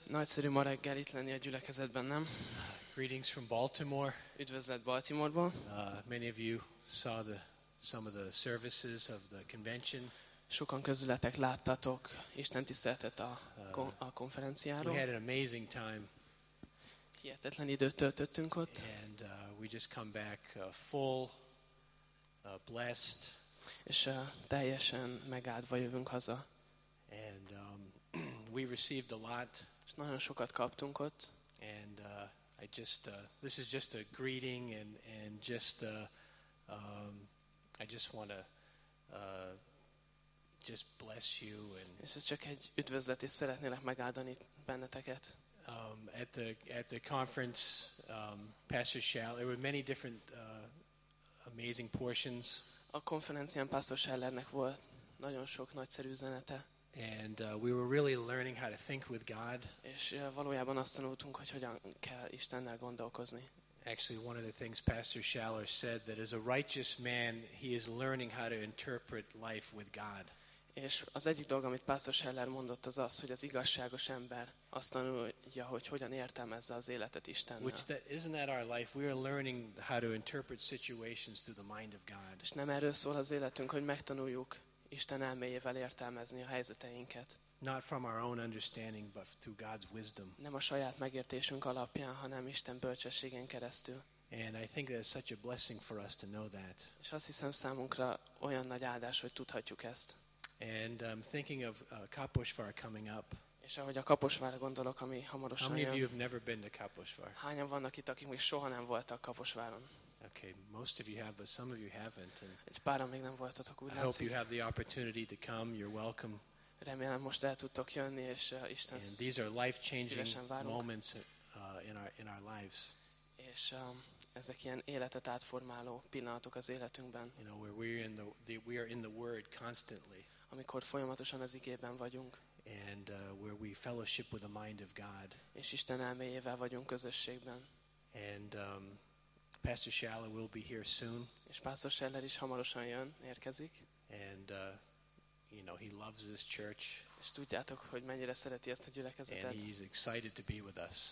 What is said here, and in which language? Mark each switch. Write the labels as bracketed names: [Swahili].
[Hungarian] Nagyszerű ma reggel itt lenni a gyülekezetben, nem? [English] Greetings from Baltimore. [Hungarian] Üdvözlet Baltimore-ból. [English] Many of you saw some of the services of the convention. [Hungarian] Sokan közületek láttatok Isten tiszteletet a konferenciáról. [English] We had an amazing time. [Hungarian] Hihetetlen időt töltöttünk ott. [English] And we just come back full, blessed. [Hungarian] És teljesen megáldva jövünk haza. [English] And we received a lot. [Hungarian] És nagyon sokat kaptunk ott. [English] And I just this is just a greeting and just I just want to just bless you and [Hungarian] és ez csak egy üdvözlet, és szeretnélek megáldani benneteket. [English] At the conference Pastor Schell, there were many different amazing portions. [Hungarian] A konferencián Pastor Schellernek volt nagyon sok nagyszerű üzenete. [English] And we were really learning how to think with God. [Hungarian] És valójában azt tanultunk, hogy hogyan kell Istennel gondolkozni. [English] Actually, one of the things Pastor Schaller said that as a righteous man, he is learning how to interpret life with God. [Hungarian] És az egyik dolog, amit Pastor Schaller mondott, az az, hogy az igazságos ember azt tanulja, hogy hogyan értelmezze az életet Istennel. [English] Which that, isn't that our life? We are learning how to interpret situations through the mind of God. [Hungarian] És nem erről szól az életünk, hogy megtanuljuk Isten elméjével értelmezni a helyzeteinket. [English] Not from our own understanding, but through God's wisdom. [Hungarian] Nem a saját megértésünk alapján, hanem Isten bölcsességén keresztül. [English] And I think that's such a blessing for us to know that. [Hungarian] És azt hiszem számunkra olyan nagy áldás, hogy tudhatjuk ezt. [English] And I'm thinking of Kaposvár coming up. [Hungarian] És ahogy a Kaposvárra gondolok, ami hamarosan jön. [English] How many of you have never been to Kaposvár? [Hungarian] Hányan vannak itt, akik még soha nem voltak Kaposváron? [English] Okay, most of you have, but some of you haven't. [Hungarian] Egy páran még nem voltatok, úgy látszik. [English] I hope you have the opportunity to come. You're welcome. [Hungarian] Remélem, most el tudtok jönni, és Isten szívesen. [English] These are life-changing moments in our lives. [Hungarian] És ezek ilyen életet átformáló pillanatok az életünkben. [English] You know, we are in the Word constantly. [Hungarian] Amikor folyamatosan az igében vagyunk. [English] And where we fellowship with the mind of God. [Hungarian] És Isten elméjével vagyunk közösségben. [English] And Pastor Schaller will be here soon. [Hungarian] És Pastor Schaller is hamarosan jön, érkezik. [English] And you know, he loves this church. [Hungarian] És tudjátok, hogy mennyire szereti ezt a gyülekezetet. [English] And he's excited to be with us.